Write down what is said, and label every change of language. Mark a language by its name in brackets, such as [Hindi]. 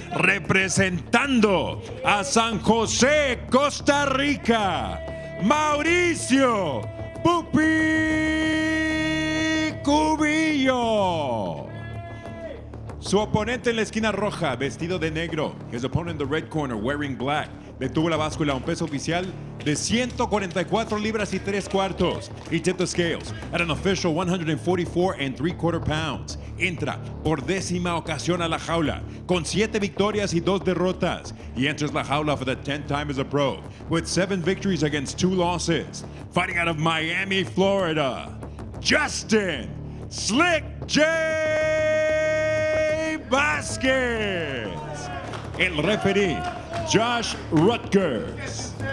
[Spanish] Representando a San José, Costa Rica, Mauricio Pupi Cubillo. Su oponente en la esquina roja, vestido de negro. [English] His opponent in the red corner, wearing black. [Spanish] Detuvo la báscula a un peso oficial de 144 libras y 3 cuartos. [English] He tipped the scales at an official 144 and 3 quarter pounds. [Spanish] Entra por décima ocasión a la jaula con 7 victorias y 2 derrotas. [English] He enters [Spanish] la jaula [English] for the 10th time as a pro with 7 victories against 2 losses. Fighting out of Miami, Florida, Justin Slick J. [Spanish] Vasquez. El referee, Josh Rutgers.